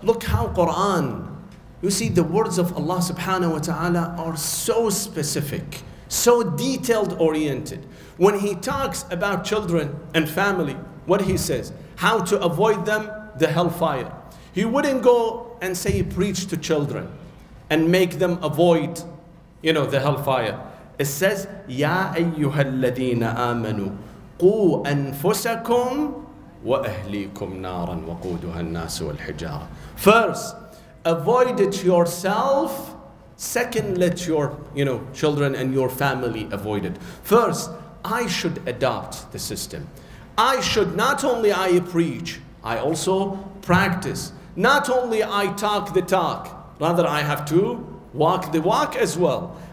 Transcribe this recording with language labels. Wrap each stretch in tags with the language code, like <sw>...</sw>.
<en>Look how Quran, you see the words of Allah subhanahu wa ta'ala are so specific, so detailed oriented. When he talks about children and family, what he says, how to avoid them, the hellfire. He wouldn't go and say, preach to children and make them avoid, you know, the hellfire. It says,</en> <ar>يَا أَيُّهَا الَّذِينَ آمَنُوا قُوْ أَنفُسَكُمْ وَأَهْلِيكُمْ نَارًا وَقُودُهَا النَّاسُ وَالْحِجَارَةُ</ar> <en>first, avoid it yourself. Second, let your, you know, children and your family avoid it. First, I should adopt the system. I should, not only I preach, I also practice. Not only I talk the talk, rather, I have to walk the walk as well.</en>